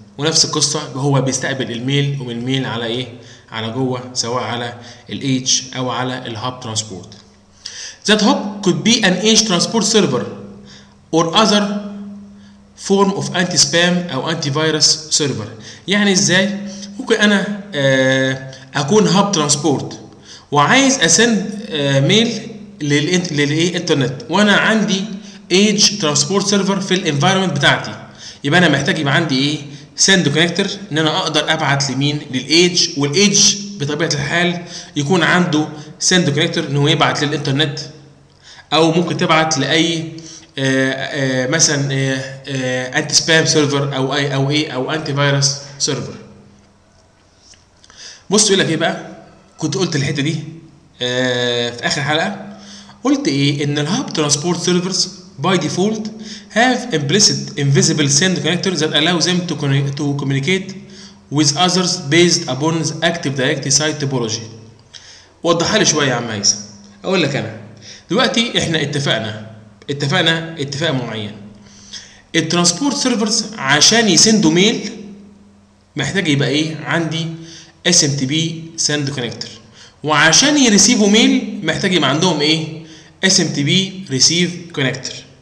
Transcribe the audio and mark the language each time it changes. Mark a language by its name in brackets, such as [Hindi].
[Arabic] ونفس القصة هو بيستقبل الميل، ومن الميل على ايه، على جوه، سواء على الايج او على الهاب ترانسبورت. [English] That hub could be an edge transport server or other form of anti-spam او anti-virus server. [Arabic] يعني ازاي؟ ممكن انا اكون هاب ترانسبورت وعايز اسند ميل للانترنت، وانا عندي ايج ترانسبورت سيرفر في الانفايرمنت بتاعتي، يبقى انا محتاج يبقى عندي ايه، سند كونكتور، ان انا اقدر ابعت لمين، للايج، والايج بطبيعه الحال يكون عنده سند كونكتور ان هو يبعت للانترنت، او ممكن تبعت لاي مثلا انتي سبام سيرفر او اي او ايه او انتي فايروس سيرفر. بص يقول لك ايه بقى، كنت قلت الحته دي في اخر حلقه، قلت ايه، ان الهاب ترانسبورت سيرفرز [English] by default have implicit invisible send connector that allows them to communicate with others based upon the active directory site topology. [Arabic] وضحها لي شويه يا عم عايز. اقول لك انا دلوقتي، احنا اتفقنا اتفاق معين، الترانسبورت سيرفرز عشان يسندوا ميل محتاج يبقى ايه، عندي SMTP send connector، وعشان يرسيفوا ميل محتاج يبقى عندهم ايه، SMTP receive connector.